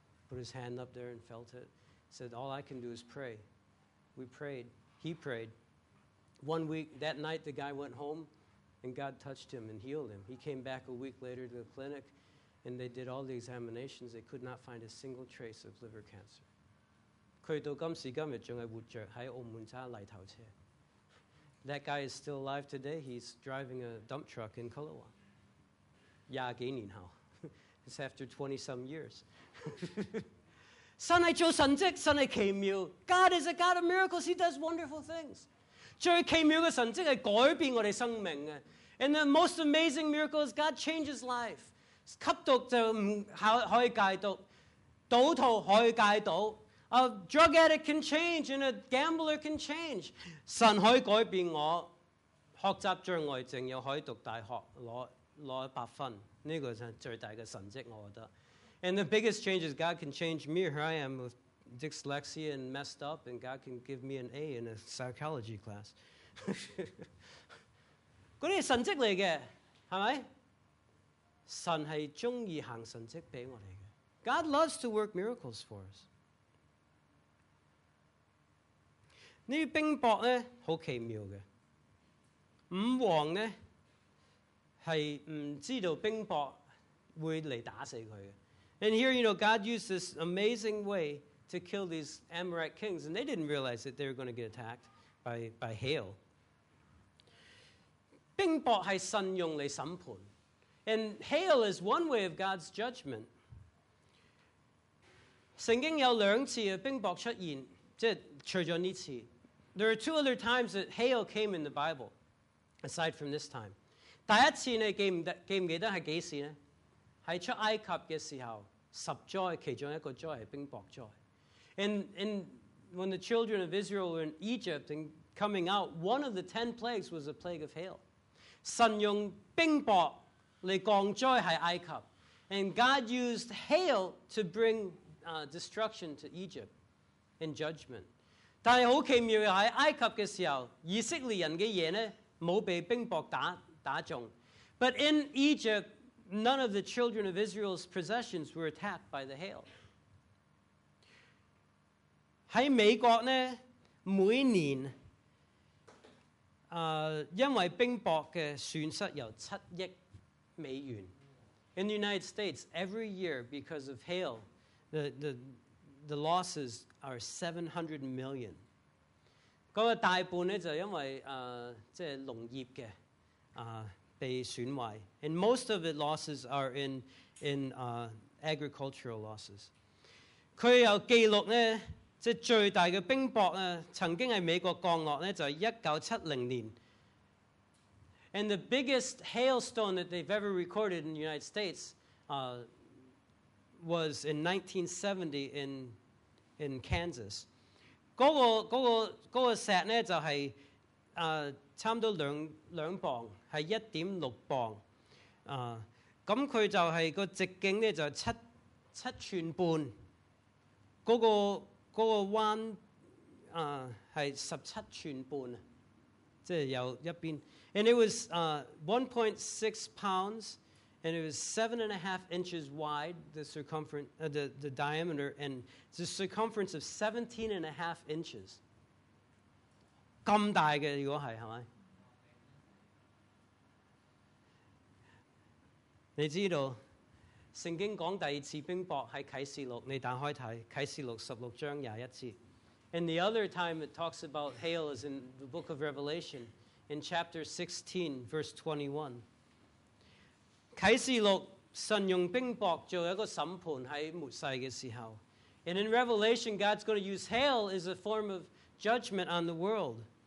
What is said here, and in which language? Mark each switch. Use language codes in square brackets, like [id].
[en] Put his hand up there and felt it. Said, all I can do is pray. We prayed. He prayed. 1 week, that night, the guy went home, and God touched him and healed him. He came back a week later to the clinic, and they did all the examinations. They could not find a single trace of liver cancer. [yue] 他到今时今日仲系活着喺澳门揸泥头车。 [en] That guy is still alive today. He's driving a dump truck in Kalawa. [yue] 廿几年后 ， [en] it's after 20 some years. [yue] 神系做神迹，神系奇妙。 [en] God is a God of miracles. He does wonderful things. [yue] 最奇妙嘅神迹系改变我哋生命嘅。 [en] And the most amazing miracle is God changes life. [yue] 吸毒就唔可以戒毒，赌徒可以戒赌。 [en] A drug addict can change and a gambler can change. [yue] 神可以改变我，学习障碍症又可以读大学，攞百分，这个是最大的神迹，我觉得。 [en] And the biggest change is God can change me. Here I am with dyslexia and messed up, and God can give me an A in a psychology class. [yue] 那些是神迹来的，是吗？神是喜欢行神迹给我们的。 God loves to work miracles for us. 这些冰雹呢很奇妙的。五王呢是不知道冰雹会来打死他的。 [en] And here, you know, God used this amazing way to kill these Amorite kings, and they didn't realize that they were going to get attacked by hail. [yue] 冰雹是神用来审判。 [en] And hail is one way of God's judgment. [yue] 圣经有两次冰雹出现，即除了这次。 [en] There are two other times that hail came in the Bible, aside from this time. [yue] 第一次你记不记得是几时呢？是出埃及的时候，十灾其中一个灾是冰雹灾。 [en] And when the children of Israel were in Egypt and coming out, one of the 10 plagues was a plague of hail. [yue] 神用冰雹来降灾在埃及。 [en] And God used hail to bring destruction to Egypt and judgment. [yue] 但是很奇妙的，在埃及的时候，以色列人的野呢没被冰雹打中。 [en] But in Egypt, none of the children of Israel's possessions were attacked by the hail. [yue] 在美国呢，每年因为冰雹的损失有$7 billion。 [en] In the United States, every year, because of hail, the losses are $700 million. [yue] 那大半呢，就因为即是农业的被损坏。 [en] And most of the losses are in agricultural losses. [yue] 它有记录呢，即是最大的冰雹呢，曾经在美国降落呢，就是1970年。 [en] And the biggest hailstone that they've ever recorded in the United States was in 1970 in Kansas. [yue] 那个石呢，就是差不多两磅，是1.6磅。咁佢就系个直径呢，就是7寸半。那个弯系17寸半，即系有一边。 [en] And it was 1.6 pounds, and it was 7.5 inches wide, the circumference, the diameter, and the circumference of 17.5 inches. [yue] 咁大嘅，如果系系咪？你知道圣经讲第二次冰雹喺启示录，你打开睇启示录16:21. [en] And the other time it talks about hail is in the book of Revelation. In chapter 16:21, [yue] 启示录神用冰雹做一个审判喺末世嘅时候。 [en] And in Revelation, God's going to use hail as a form of judgment on the world.